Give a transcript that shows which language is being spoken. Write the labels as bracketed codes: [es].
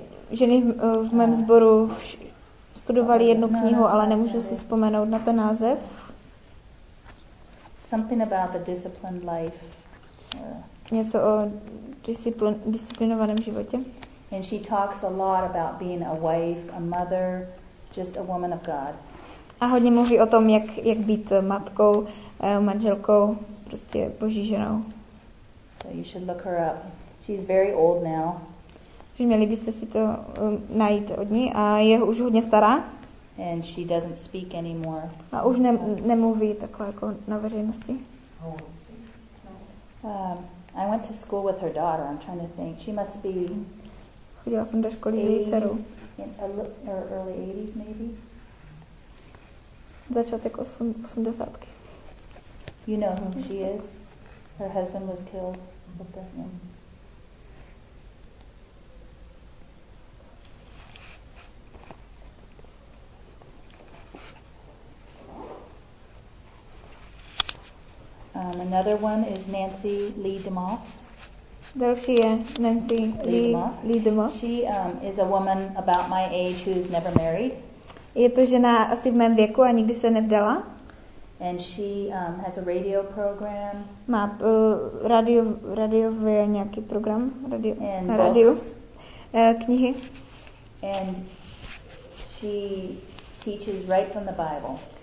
[cs] Ženy v mém sboru studovali jednu knihu, ale nemůžu si vzpomenout na ten název. [en] Something about the disciplined life. [cs] Něco o disciplinovaném životě. [en] And she talks a lot about being a wife, a mother, just a woman of God. [cs] A hodně mluví o tom, jak být matkou, manželkou, prostě Boží ženou. [en] So you should look her up. She's very old now. [cs] Že měli byste si to najít od ní a je už hodně stará. [en] And she doesn't speak anymore. [cs] A už nemluví takhle jako na veřejnosti. [en] I went to school with her daughter. I'm trying to think. She must be. [cs] Chodila jsem do školy její dceru. [en] Early 80s maybe. [cs] Začátek 80. [en] You know who she is? Her husband was killed. Mm-hmm. Another one is Nancy Lee DeMoss. [cs] Další je Nancy Lee DeMoss. [en] She is a woman about my age who's never married. [cs] Je to žena asi v mém věku a nikdy se nevdala. [en] And she has a radio program. [cs] Má radiové nějaký program, radio, [en] and [cs] na radio, [en] books. [cs] Knihy. [en] And she teaches right from the Bible.